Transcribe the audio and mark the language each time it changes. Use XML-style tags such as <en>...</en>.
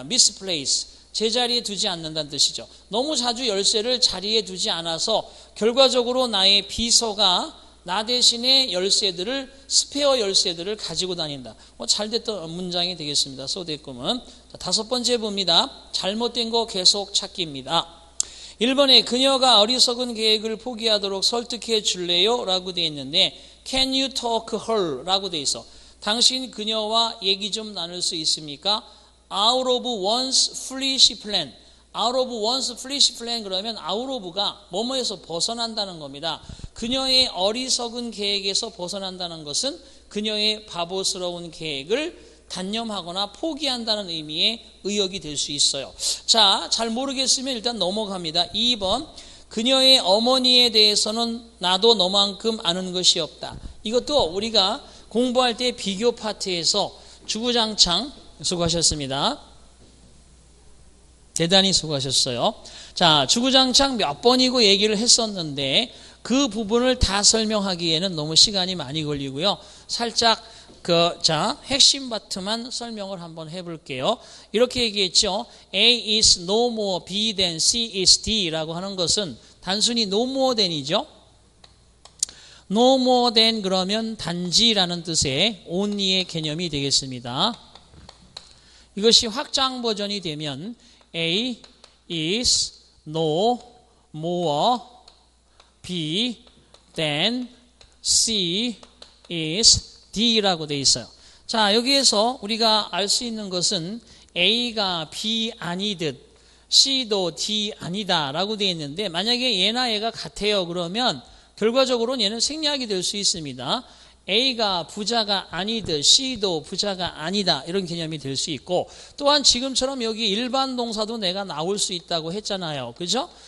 <ko>misplace, 제자리에 두지 않는다는 뜻이죠. 너무 자주 열쇠를 자리에 두지 않아서 결과적으로 나의 비서가 나 대신에 열쇠들을, 스페어 열쇠들을 가지고 다닌다. 잘 됐던 문장이 되겠습니다. 소대 꿈은. 자, 다섯 번째 봅니다. 잘못된 거 계속 찾기입니다. 1번에 그녀가 어리석은 계획을 포기하도록 설득해 줄래요? 라고 되어 있는데</ko> <en>Can you talk her?</en> <ko>라고 되어 있어. 당신 그녀와 얘기 좀 나눌 수 있습니까?</ko> <en>Out of one's foolish plan. Out of one's foolish plan 그러면 out of가</en> <ko>뭐뭐에서 벗어난다는 겁니다. 그녀의 어리석은 계획에서 벗어난다는 것은 그녀의 바보스러운 계획을 단념하거나 포기한다는 의미의 의역이 될 수 있어요. 자, 잘 모르겠으면 일단 넘어갑니다. 2번, 그녀의 어머니에 대해서는 나도 너만큼 아는 것이 없다. 이것도 우리가 공부할 때 비교 파트에서 주구장창 수고하셨습니다. 대단히 수고하셨어요. 자, 주구장창 몇 번이고 얘기를 했었는데 그 부분을 다 설명하기에는 너무 시간이 많이 걸리고요. 살짝 핵심 파트만 설명을 한번 해볼게요. 이렇게 얘기했죠.</ko> <en>A is no more B than C is D</en> <ko>라고 하는 것은 단순히</ko> <en>no more than이죠. No more than</en> <ko>그러면 단지라는 뜻의 only의 개념이 되겠습니다. 이것이 확장 버전이 되면</ko> <en>A is no more B than C is D</en> <ko>라고 되어 있어요. 자, 여기에서 우리가 알 수 있는 것은 A가 B 아니듯 C도 D 아니다 라고 되어 있는데 만약에 얘나 얘가 같아요. 그러면 결과적으로는 얘는 생략이 될 수 있습니다. A가 부자가 아니듯 C도 부자가 아니다 이런 개념이 될 수 있고 또한 지금처럼 여기 일반 동사도 내가 나올 수 있다고 했잖아요. 그죠?</ko>